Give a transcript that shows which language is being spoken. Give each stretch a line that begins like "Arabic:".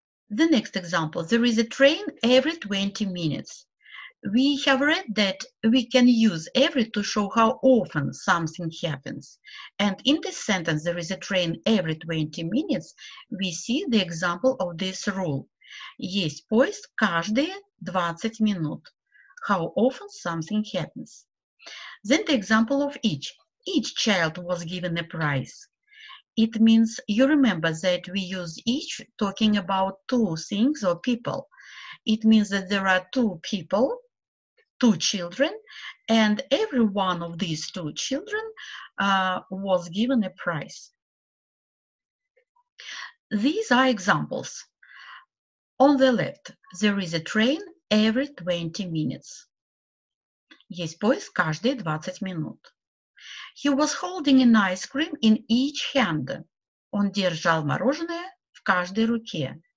English: The next example, there is a train every 20 minutes. We have read that we can use every to show how often something happens. And in this sentence, there is a train every 20 minutes, we see the example of this rule.
Russian: Есть поезд каждые 20 минут.
English: How often something happens. Then the example of each. Each child was given a prize. It means you remember that we use each talking about two things or people. It means that there are two people, two children, and every one of these two children was given a prize. These are examples. On the left, there is a train every 20 minutes.
Russian: Есть поезд каждые 20 минут.
English: He was holding an ice cream in each hand.
Russian: Он держал мороженое в каждой руке.